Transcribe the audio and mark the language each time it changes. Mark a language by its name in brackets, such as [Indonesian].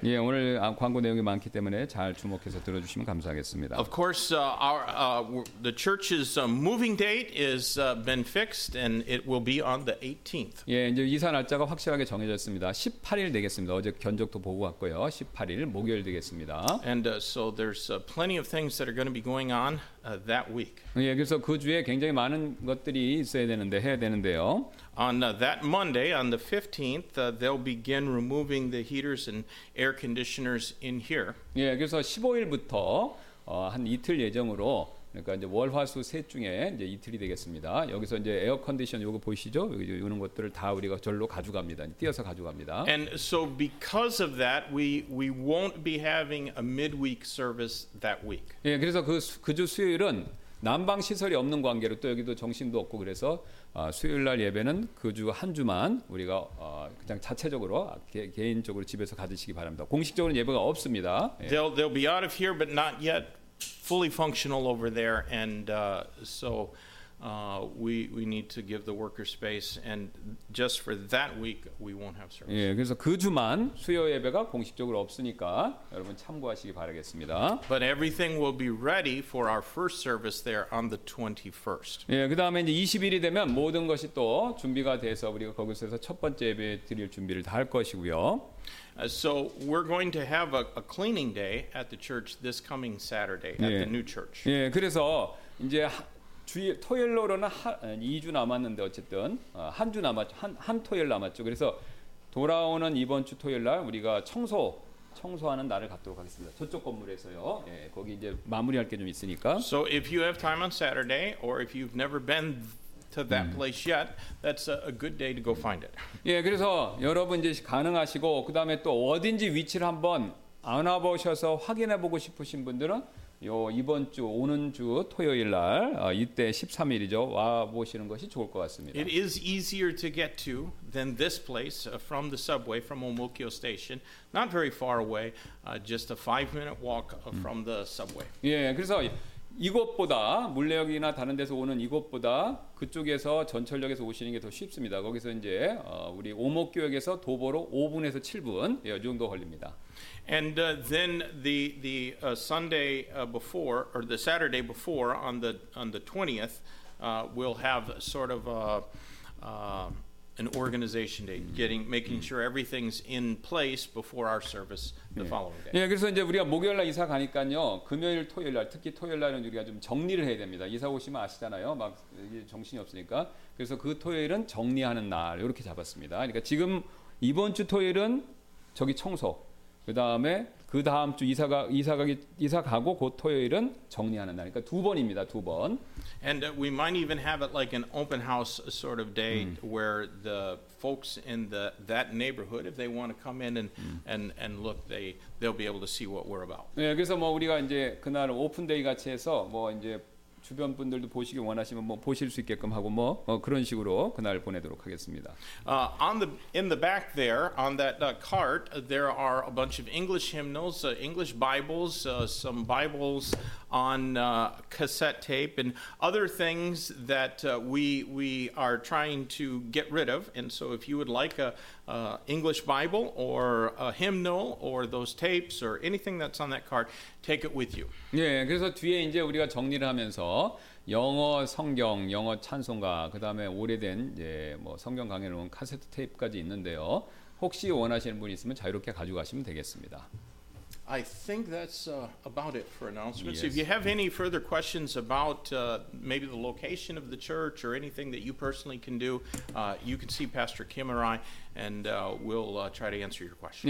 [Korean] 예, 오늘 광고 내용이 많기 때문에 잘 주목해서 들어주시면 감사하겠습니다. [English] Of course, the church's moving date has been fixed, and it will be on the 18th. [Korean] 예, 이제 이사 날짜가 확실하게 정해졌습니다. 18일 되겠습니다. 어제 견적도 보고 왔고요. 18일 목요일 되겠습니다. [English] And so there's plenty of things that are going to be going on that week. [Korean] 예, 그래서 그 주에 굉장히 많은 것들이 있어야 되는데 해야 되는데요. [English] On that Monday, on the 15th, they'll begin removing the heaters and air conditioners in here. [Korean] 예, 그래서 15일부터 한 이틀 예정으로 그러니까 이제 월, 화, 수, 셋 중에 이제 이틀이 되겠습니다. 여기서 이제 에어컨디션 요거 보이시죠? 이런 것들을 다 우리가 절로 가져갑니다. 띄어서 가져갑니다. [English] And so because of that, we won't be having a midweek service that week. [Korean] 예, 그래서 그 주 수요일은 난방 시설이 없는 관계로 또 여기도 정신도 없고 그래서 수요일 날 예배는 그 주 한 주만 우리가 그냥 자체적으로 개인적으로 집에서 가지시기 바랍니다. 공식적으로는 예배가 없습니다. [English] They'll be out of here but not yet fully functional over there and so we need to give the worker space, and just for that week we won't have service. [Korean] 예, 그래서 그 주만 수요 예배가 공식적으로 없으니까 여러분 참고하시기 바라겠습니다. [English] But everything will be ready for our first service there on the 21st. [Korean] 예, 그다음에 이제 20일이 되면 모든 것이 또 준비가 돼서 우리가 거기서 첫 번째 예배 드릴 준비를 다 할 것이고요. [English] So we're going to have a cleaning day at the church this coming Saturday at 예. The new church. [Korean] 예, 그래서 이제 주일 토요일로는 한 2주 남았는데 어쨌든 한 주 남았죠. 한 토요일 남았죠. 그래서 돌아오는 이번 주 토요일 날 우리가 청소하는 날을 갖도록 하겠습니다. 저쪽 건물에서요. 예, 거기 이제 마무리할 게 좀 있으니까. [English] So if you have time on Saturday or if you've never been to that place yet, that's a good day to go find it. [Korean] 예, 그래서 여러분 이제 가능하시고 그다음에 또 어딘지 위치를 한번 알아보셔서 확인해 보고 싶으신 분들은 요 이번 주 오는 주 토요일 날 이때 13일이죠. 와 보시는 것이 좋을 것 같습니다. [English] It is easier to get to than this place from the subway from Omokyo station. Not very far away, just a 5-minute walk from the subway. [Korean] 예, 그래서 이곳보다 물레역이나 다른 데서 오는 이곳보다 그쪽에서 전철역에서 오시는 게 더 쉽습니다. 거기서 이제 우리 오목교역에서 도보로 5분에서 7분 이 정도 걸립니다. [English] And then the Sunday before or the Saturday before on the 20th we'll have sort of an organization day making sure everything's in place before our service the following day. [Korean] 예, 그래서 이제 우리가 목요일 날 이사 가니까요. 금요일 토요일 날 특히 토요일 날은 우리가 좀 정리를 해야 됩니다. 이사 오시면 아시잖아요. 막 정신이 없으니까. 그래서 그 토요일은 정리하는 날 이렇게 잡았습니다. 그러니까 지금 이번 주 토요일은 저기 청소 그다음에 그다음 주 이사 가고 곧 토요일은 정리하는 날. 그러니까 두 번입니다. 두 번. [English] And we might even have it like an open house sort of day where the folks in that neighborhood if they want to come in and look they'll be able to see what we're about. [Korean] 예, 그래서 뭐 우리가 이제 그날 오픈 데이 같이 해서 뭐 이제 주변 분들도 보시기 원하시면 뭐 보실 수 있게끔 하고 뭐 그런 식으로 그날 보내도록 하겠습니다. [English] In the back there on that cart there are a bunch of English hymnals, English Bibles, some Bibles on cassette tape and other things that we are trying to get rid of. And so if you would like a English Bible or a hymnal or those tapes or anything that's on that cart, take it with you. [Korean] 예, 그래서 뒤에 이제 우리가 정리를 하면서 영어 성경, 영어 찬송가, 그다음에 오래된 이제 뭐 성경 강의를 온 카세트 테이프까지 있는데요. 혹시 원하시는 분 있으면 자유롭게 가져가시면 되겠습니다. [English] I think that's about it for announcements. Yes. If you have any further questions about maybe the location of the church or anything that you personally can do, you can see Pastor Kim or I, and we'll try to answer your question.